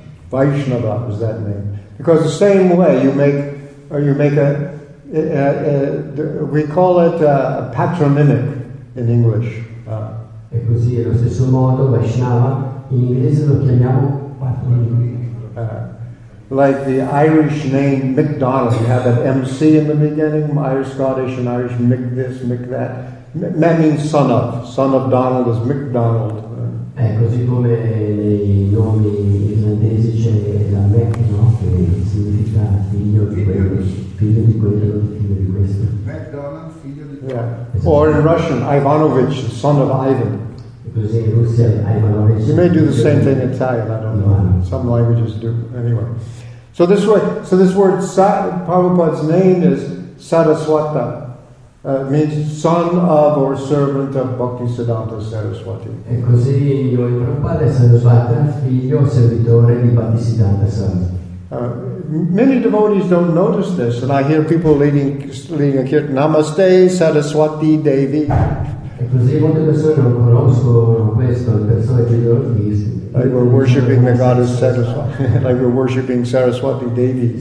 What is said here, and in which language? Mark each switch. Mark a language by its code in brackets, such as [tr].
[en] Vaishnava was that name. Because the same way we call it a patronymic in English. [it] E così allo stesso modo Vaishnava in inglese lo chiamiamo patronymic. [en] Like the Irish name McDonald, you have an MC in the beginning, Irish Scottish and Irish Mick this, Mick that. That means son of Donald is McDonald. [it] Così come nei nomi irlandesi c'è la Mac, no? Che significa figlio di quello, figlio di quello, figlio di questo. McDonald, figlio di quello. [en] Yeah. Or in Russian, Ivanovich, son of Ivan. You may do the same thing in Italian, I don't know. Some languages do. Anyway. So this way, so this word Prabhupada's name is Saraswata. Means son of or servant of Bhakti Siddhanta Saraswati. [it] E così io e Prabhupada è Saraswata, figlio servitore di Bhakti Siddhanta Saraswati. [en] Many devotees don't notice this, and I hear people leading a kirtan, [sa] Namaste Saraswati Devi. [en] Like we're worshipping the goddess Saraswati, like we're worshipping Saraswati Devi.